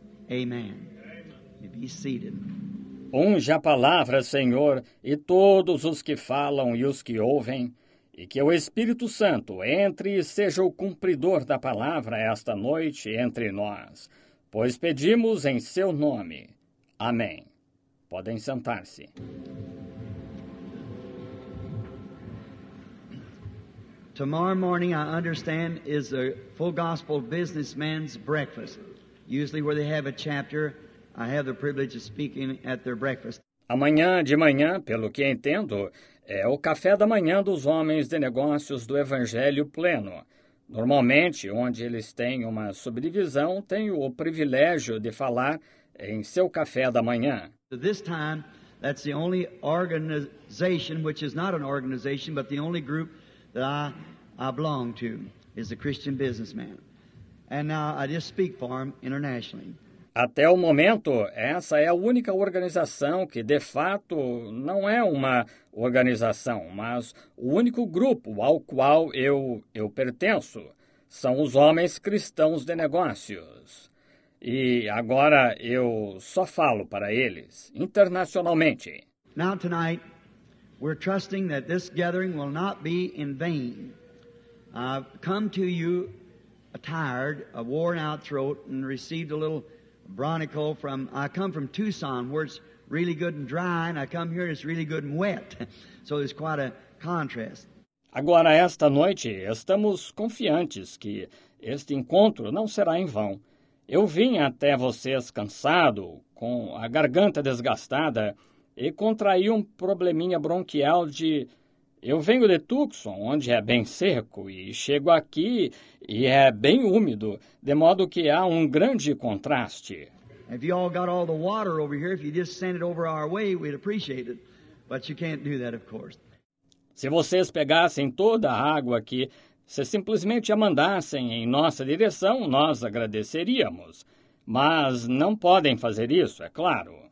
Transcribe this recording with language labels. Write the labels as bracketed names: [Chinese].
[English] Amen. You be seated. [Portuguese] Unge a palavra, Senhor, e todos os que falam e os que ouvem, e que o Espírito Santo entre e seja o cumpridor da palavra esta noite entre nós, pois pedimos em seu nome. Amém. Podem sentar-se. [English] Tomorrow morning, I understand, is a full gospel businessman's breakfast. Usually where they have a chapter, I have the privilege of speaking at their breakfast. [Portuguese] Amanhã de manhã, pelo que entendo, é o café da manhã dos homens de negócios do Evangelho Pleno. Normalmente, onde eles têm uma subdivisão, tenho o privilégio de falar em seu café da manhã. [English] This time, that's the only organization, which is not an organization, but the only group that I belong to, is the Christian Businessman. And now I just speak for him internationally. [Portuguese] Até o momento, essa é a única organização que, de fato, não é uma organização, mas o único grupo ao qual eu pertenço são os homens cristãos de negócios. E agora eu só falo para eles, internacionalmente. [English] Now tonight, we're trusting that this gathering will not be in vain. I've come to you a tired, a worn out throat and received a little bronchial from, I come from Tucson where it's really good and dry and I come here and it's really good and wet. So there's quite a contrast. [Portuguese] Agora esta noite estamos confiantes que este encontro não será em vão. Eu vim até vocês cansado, com a garganta desgastada e contraí um probleminha bronquial de... Eu venho de Tucson, onde é bem seco, e chego aqui e é bem úmido, de modo que há um grande contraste. [English] Have you all got all the water over here? If you just send it over our way, we'd appreciate it. But you can't do that, of course. [Portuguese] Se vocês pegassem toda a água aqui, se simplesmente a mandassem em nossa direção, nós agradeceríamos. Mas não podem fazer isso, é claro.